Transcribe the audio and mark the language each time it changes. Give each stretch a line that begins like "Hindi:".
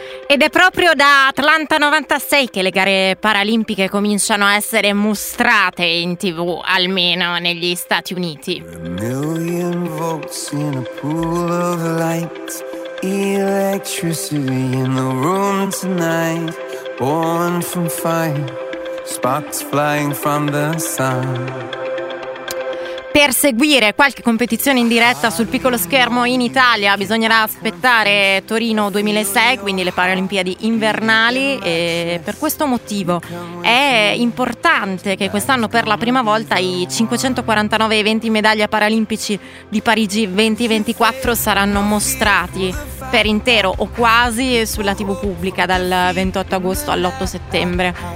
Italian: Ed è proprio da Atlanta 96 che le gare paralimpiche cominciano a essere mostrate in TV, almeno negli Stati Uniti.
English: A million volts in a pool of light, electricity in the room tonight, born from fire, sparks flying from the sun.
Italian: Per seguire qualche competizione in diretta sul piccolo schermo in Italia bisognerà aspettare Torino 2006, quindi le Paralimpiadi invernali, e per questo motivo è importante che quest'anno per la prima volta i 549 eventi medaglia paralimpici di Parigi 2024 saranno mostrati per intero o quasi sulla TV pubblica dal 28 agosto all'8 settembre.